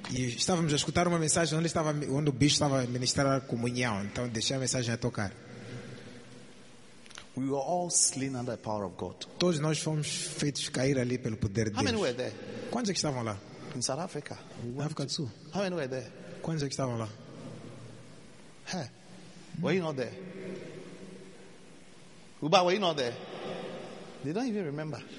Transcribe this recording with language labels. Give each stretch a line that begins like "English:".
Portuguese: E estávamos a escutar uma mensagem onde estava, onde o bicho estava a ministrar a comunhão. Então deixei a mensagem a tocar.
English: We were all slain under the power of God.
Portuguese: Todos nós fomos feitos cair ali pelo poder de Deus.
English: How many were there?
Portuguese: Quantos é que estavam lá?
English: In South Africa.
Portuguese: Na África do Sul.
English: How many were there?
Portuguese: Quantos é que estavam lá?
English: Huh? Were you not there? Uba, were you not there? They don't even remember.